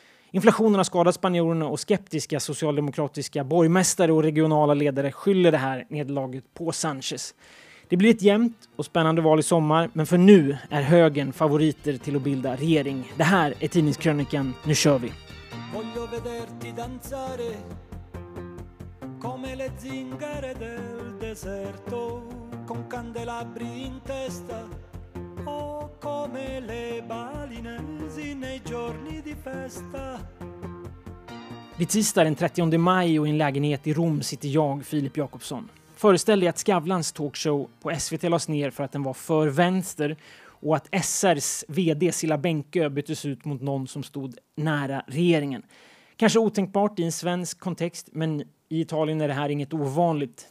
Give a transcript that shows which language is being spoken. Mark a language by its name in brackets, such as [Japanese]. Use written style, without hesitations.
[Swedish] Inflationen har skadat spanjorerna och skeptiska socialdemokratiska borgmästare och regionala ledare skyller det här nederlaget på Sánchez. Det blir ett jämnt och spännande val i sommar, men för nu är högern favoriter till att bilda regering. Det här är tidningskrönikan, nu kör vi! [Italian] Voglio vederti danzare come le zingare del deserto. Con candelabri in testa o come le balinesi nei giorni di festa. [Swedish] Vid tisdag den 30 maj och i en lägenhet i Rom sitter jag, Filip Jakobsson. Föreställ dig att Skavlans talkshow på SVT lades ner för att den var för vänster och att SRs vd Silla Bänkö byttes ut mot någon som stod nära regeringen. Kanske otänkbart i en svensk kontext, men i Italien är det här inget ovanligt.